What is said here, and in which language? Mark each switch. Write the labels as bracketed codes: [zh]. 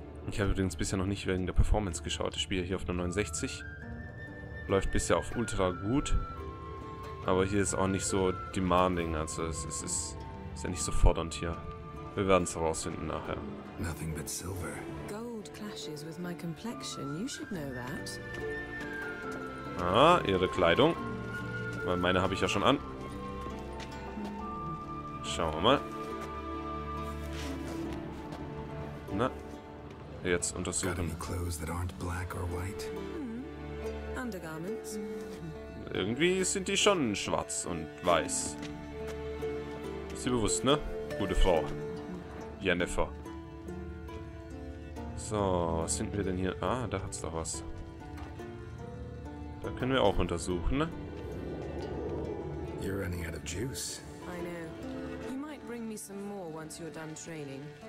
[de] Ich habe übrigens bisher noch nicht wegen der Performance geschaut. Ich spiele hier auf einer 69. Läuft bisher auf ultra gut. Aber hier ist auch nicht so demanding, also es ist ja nicht so fordernd hier. Wir werden es herausfinden nachher. [en] Nothing but silver. Gold clashes with my complexion. You should know that. [de] Ah, ihre Kleidung. Weil meine habe ich ja schon an. Schauen wir mal. Na. Jetzt untersuchen. [en] Got any clothes that aren't black or white? Undergarments. [de] Irgendwie sind die schon schwarz und weiß. Ist sie bewusst, ne? Gute Frau. Yennefer. So, was sind wir denn hier? Ah, da hat's doch was. Da können wir auch untersuchen, ne? [en] You're running out of juice. I know. You might bring me some more once you're done training.